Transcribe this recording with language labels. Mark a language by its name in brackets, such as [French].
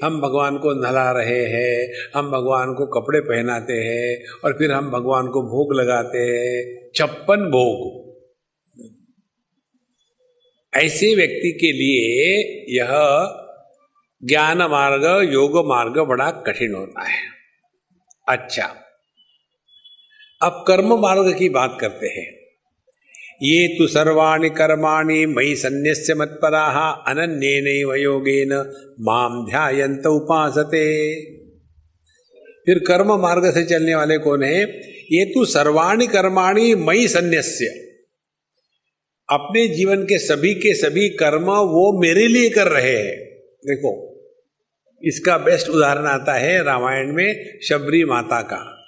[Hindi] हम भगवान को नहला रहे हैं, हम भगवान को कपड़े पहनाते हैं और फिर हम भगवान को भोग लगाते हैं, 56 भोग। ऐसे व्यक्ति के लिए यह ज्ञान मार्ग योग मार्ग बड़ा कठिन होता है। अच्छा अब कर्म मार्ग की बात करते हैं। [Sanskrit] ये तु सर्वाणि कर्माणि मयि सन्न्यस्य मत्पराः अनन्येनैव योगेन माम ध्यायन्त उपासते। [Hindi] फिर कर्म मार्ग से चलने वाले कौन है? [Sanskrit] ये तु सर्वाणि कर्माणि मयि सन्न्यस्य, [Hindi] अपने जीवन के सभी कर्म वो मेरे लिए कर रहे हैं। देखो इसका बेस्ट उदाहरण आता है रामायण में शबरी माता का।